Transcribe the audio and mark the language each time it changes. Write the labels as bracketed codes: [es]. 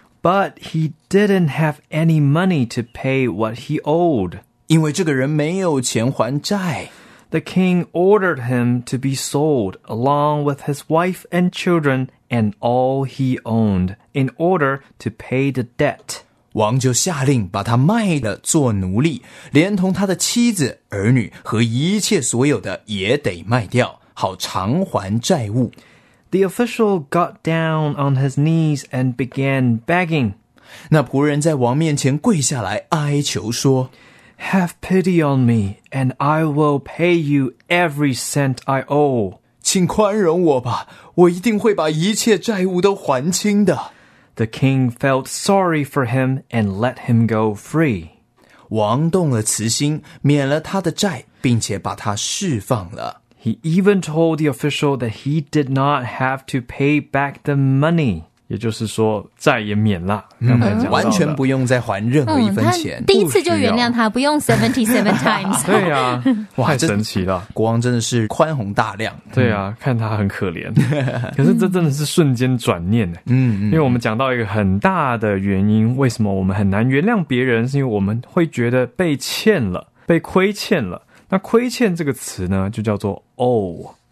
[en] But he didn't have any money to pay what he owed， [zh] 因为这个人没有钱还债。 [en] The king ordered him to be sold along with his wife and childrenAnd all he owned in order to pay the debt. [zh] 王就下令把他卖了做奴隶，连同他的妻子、儿女和一切所有的也得卖掉，好偿还债务。 [en] The official got down on his knees and began begging. [zh] 那仆人在王面前跪下来哀求说， [en] Have pity on me and I will pay you every cent I owe. [zh] 请宽容我吧，我一定会把一切债务都还清的。 [en] The king felt sorry for him and let him go free. [zh] 王动了慈心，免了他的债，并且把他释放了。 [en] He even told the official that he did not have to pay back the money. [zh] 也就是说债也免了、嗯、完全不用再还任何一分钱、嗯、第一次就原谅他，不用 [en] 77 times [zh] 对啊，太神奇了，国王真的是宽宏大量，对啊、嗯、看他很可怜，可是这真的是瞬间转念、欸、嗯，因为我们讲到一个很大的原因，为什么我们很难原谅别人，是因为我们会觉得被欠了，被亏欠了，那亏欠这个词呢就叫做 owe，